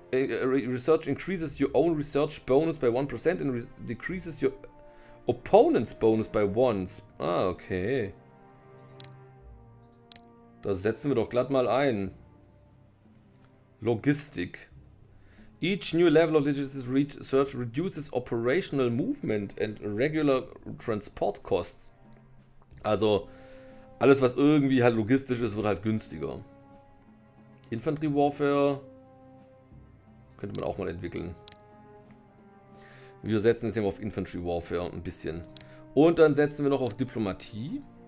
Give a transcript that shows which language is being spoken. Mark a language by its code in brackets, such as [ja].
[en] Research increases your own research bonus by 1% and decreases your opponent's bonus by 1. Ah, okay. [de] Das setzen wir doch glatt mal ein. Logistik. [en] Each new level of logistics research reduces operational movement and regular transport costs. [de] Also, alles was irgendwie halt logistisch ist, wird halt günstiger. Infantry Warfare... Könnte man auch mal entwickeln. Wir setzen jetzt hier auf Infantry Warfare ein bisschen. Und dann setzen wir noch auf Diplomatie.